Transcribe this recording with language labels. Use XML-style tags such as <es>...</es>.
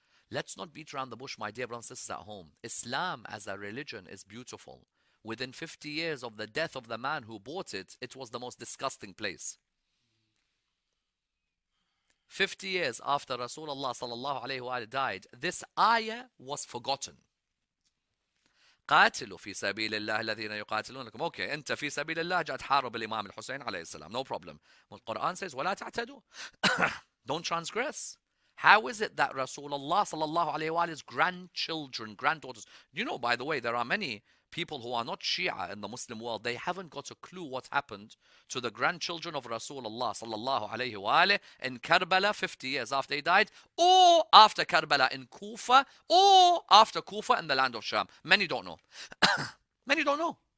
<en>Let's not beat around the bush, my dear brothers and sisters at home. Islam as a religion is beautiful. Within 50 years of the death of the man who bought it, it was the most disgusting place. 50 years after Rasulullah sallallahu alayhi wa alayhi died, this ayah was forgotten.</en> <ar>قاتلوا في سبيل الله الذين يقاتلونكم.</ar> <en>Okay,</en> <ar>انت في سبيل الله جاءت حارب الإمام الحسين عليه السلام.</ar> <en>No problem. The Quran says,</en> <ar>ولا تعتدوا.</ar> <en>Don't transgress. How is it that Rasulullah sallallahu alayhi wa alayhi's grandchildren, granddaughters, you know, by the way, there are many people who are not Shia in the Muslim world, they haven't got a clue what happened to the grandchildren of Rasulullah sallallahu alayhi wa alayhi in Karbala 50 years after he died, or after Karbala in Kufa, or after Kufa in the land of Sham. Many don't know. Many don't know.</en>